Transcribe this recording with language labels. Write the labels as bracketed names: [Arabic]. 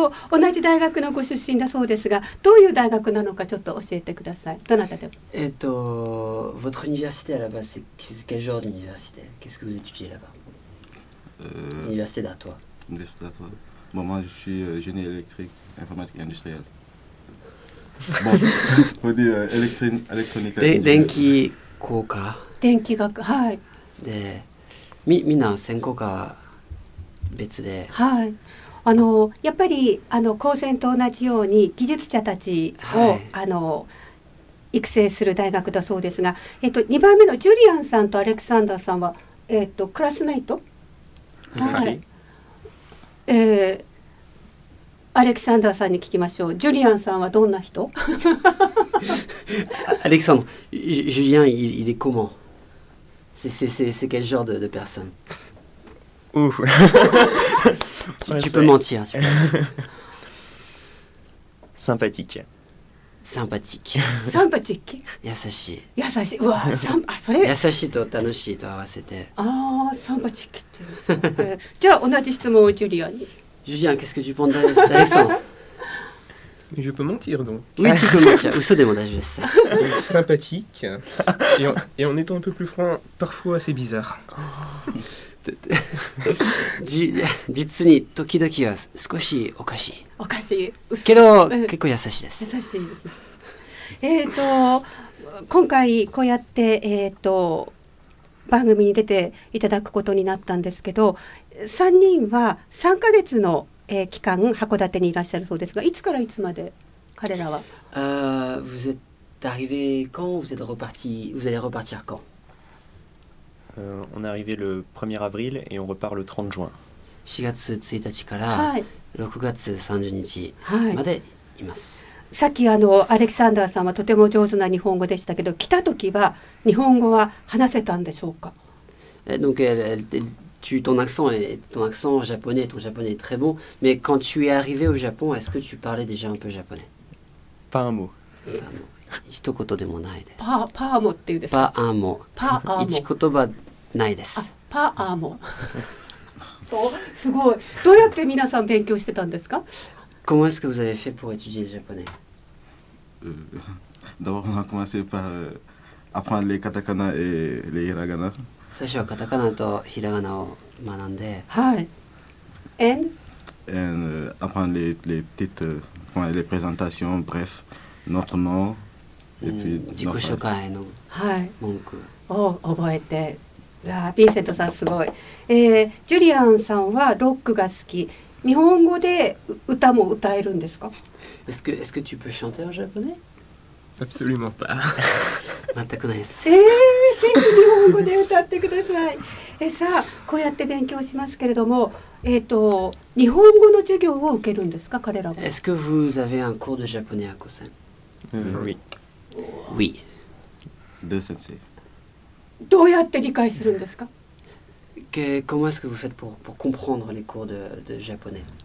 [Japanese] 同じ大学のご出身だそうですが、どういう大学なのかちょっと教えてください。どなたでも。 [French] Votre université là-bas, c'est quel genre d'université? Qu'est-ce que vous étudiez là-bas? Université d'Artois. Université d'Artois. Bon, moi, je suis génie électrique, informatique et industriel. Bon, vous dites électronique. [Japanese] Denki Koka. Denki Koka, はい。で、みんな専攻が別で。はい。やっぱり高専と同じように技術者たちを、はい、育成する大学だそうですが、2番目のジュリアンさんとアレクサンダーさんは、クラスメイト、はい、アレクサンダーさんに聞きましょう。ジュリアンさんはどんな人？ [French] アレクサンダー、ジュリアン、il est comment？ C'est quel genre de personne？ Ouf！ Tu peux mentir. Sympathique. Sympathique. Sympathique. [Japanese] Yasashi. Yasashi. Wow, それ Yasashi と tanoshi と合わせて。 [French] Ah, sympathique. [Japanese] じゃあ同じ質問をジュリアンに。 [French] ジュリアン、qu'est-ce que tu penses d'Alexandre? Je peux mentir, donc. Oui, tu peux mentir. Où sont des montages? Sympathique. Et en étant un peu plus franc, parfois assez bizarre. [Japanese] 実に時々は少しおかしい。おかしい。けど結構優しいです。優しいです。今回こうやって番組に出ていただくことになったんですけど、3人は3ヶ月の、期間函館にいらっしゃるそうですが、いつからいつまで彼らは？ [French] Vous êtes arrivé quand? Vous êtes reparti? Vous allez repartir quand? On est arrivé le 1er avril et on repart le 30 juin. [Japanese] 4月1日から6月30日までいます。さっきアレクサンダーさんはとても上手な日本語でしたけど、来た時は日本語は話せたんでしょうか？ [French] Donc, ton accent japonais, ton japonais est très bon, mais quand tu es arrivé au Japon, est-ce que tu parlais déjà un peu japonais? Pas un mot. [Japanese] 一言でもないです。パーモっていうですか。パーモ。パーモ。一言葉ないです。あ、パーモ。そう、すごい。どうやって皆さん勉強してたんですか。 [French] Comment est-ce que vous avez fait pour étudier le japonais? D'abord, on a commencé par apprendre les katakana et les hiragana. [Japanese] 最初はカタカナとひらがなを学んで。はい。 [English] And [French] apprendre les petites, les présentations, bref, notre nom. [Japanese] 自己紹介の文句を覚えて、はい、ヴィンセントさんすごい、ジュリアンさんはロックが好き。日本語で歌も歌えるんですか？ [French] Est-ce que tu peux chanter en japonais? Absolument pas. [Japanese] 全くないです。ぜひ日本語で歌ってください。さあ、こうやって勉強しますけれども、日本語の授業を受けるんですか、彼らは。 [French] Est-ce que vous avez un cours de japonais à Kosen? Oui. Oui. Deux sensei. [Japanese] どうやって理解するんですか。 [French] Comment est-ce que vous faites pour comprendre les cours de japonais?